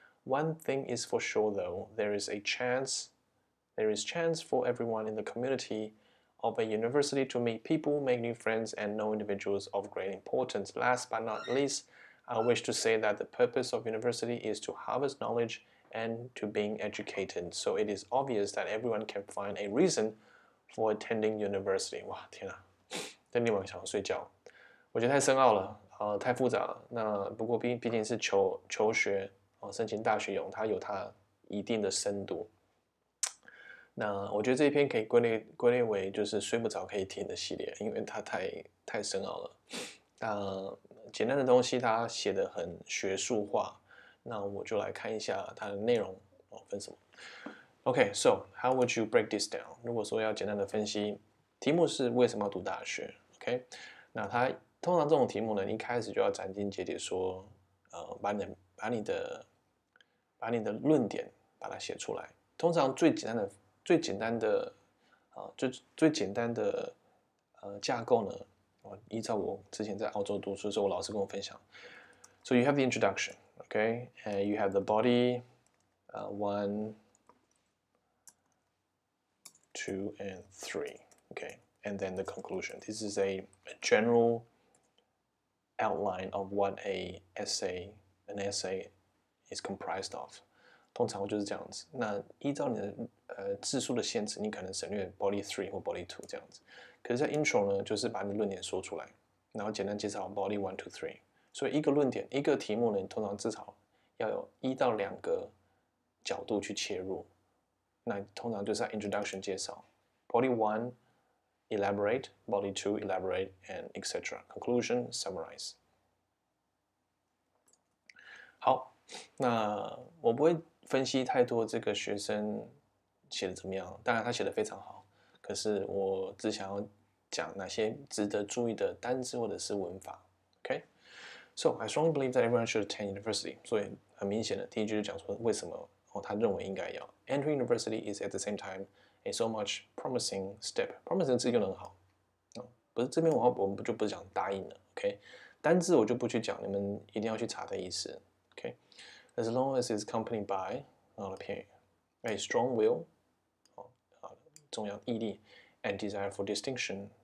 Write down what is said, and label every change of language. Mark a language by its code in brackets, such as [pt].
[en] One thing is for sure, though, there is chance for everyone in the community of a university to meet people, make new friends, and know individuals of great importance. Last but not least, I wish to say that the purpose of university is to harvest knowledge and to being educated. So it is obvious that everyone can find a reason for attending university. [zh] 哇，天啊，在那边想睡觉，我觉得太深奥了，太复杂了。那不过毕竟是求学，申请大学用，它有它一定的深度。那我觉得这一篇可以归类为就是睡不着可以听的系列，因为它太深奥了。简单的东西它写得很学术化，那我就来看一下它的内容分什么。 [en] OK, so how would you break this down？ [zh] 如果说要简单的分析，题目是为什么要读大学？OK，那它通常这种题目呢，一开始就要斩钉截铁说，把你的论点把它写出来。通常最简单的架构呢，依照我之前在澳洲读书的时候，我老师跟我分享。 [en] So you have the introduction, okay? And you have the body, one, two, and three, okay? And then the conclusion. This is a general outline of what an essay is comprised of. [zh] 通常就是这样子。那依照你的字数的限制，你可能省略 body three 或 body two 这样子。可是，在 intro 呢，就是把你的论点说出来，然后简单介绍 body one two three。所以，一个论点，一个题目呢，你通常至少要有1到2个角度去切入。那通常就是在 introduction 介绍 body one elaborate body two elaborate and etc. [en] conclusion summarize。 [zh] 好，那我不会分析太多这个学生写的怎么样，当然他写的非常好，可是我只想要讲哪些值得注意的单字或者是文法。 [en] OK，So、okay? I strongly believe that everyone should attend university。 [zh] 所以很明显的，第一句就讲说为什么他认为应该要 enter university is at the same time a so much promising step. Promising 是一个很好，不是这边我们就不讲答应了 ，OK？单字我就不去讲，你们一定要去查的意思 ，OK？ [en] As long as it's accompanied by 然后 a strong will，重要毅力，and desire for distinction。